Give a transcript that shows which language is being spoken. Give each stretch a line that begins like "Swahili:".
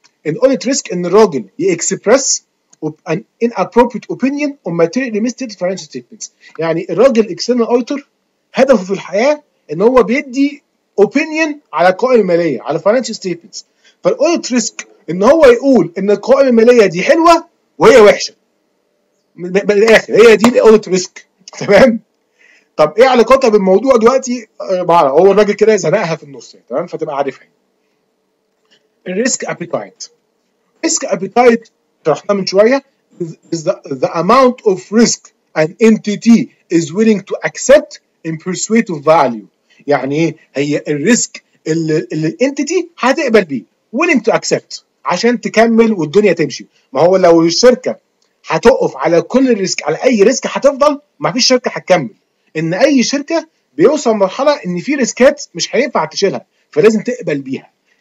Arabic: الاوديت ريسك ان الراجل يكسبرس ان ان ابروبريت اوبينيون اون ماتيريال ميستيد فاينانشال ستيتمنتس، يعني الراجل اكسترنال اوديتور هدفه في الحياه ان هو بيدي اوبينيون على القوائم الماليه على فاينانشال ستيتمنتس. فالاوديت ريسك ان هو يقول ان القوائم الماليه دي حلوه وهي وحشه، من الاخر هي دي الاوديت ريسك، تمام؟ طب ايه علاقتها بالموضوع دلوقتي؟ هو الراجل كده زنقها في النص، تمام؟ فتبقى عارفها. الريسك ابيتايت، ريسك ابيتايت طرحناه من شويه،
English: is the amount of risk an entity is willing to accept in pursuit of value.
Arabic: يعني ايه؟ هي الريسك اللي الانتيتي هتقبل بيه،
English: willing to accept
Arabic: عشان تكمل والدنيا تمشي. ما هو لو الشركة هتقف على كل الريسك على اي ريسك هتفضل، ما فيش شركة هتكمل. ان اي شركة بيوصل مرحلة ان في ريسكات مش هينفع تشيلها فلازم تقبل بيها.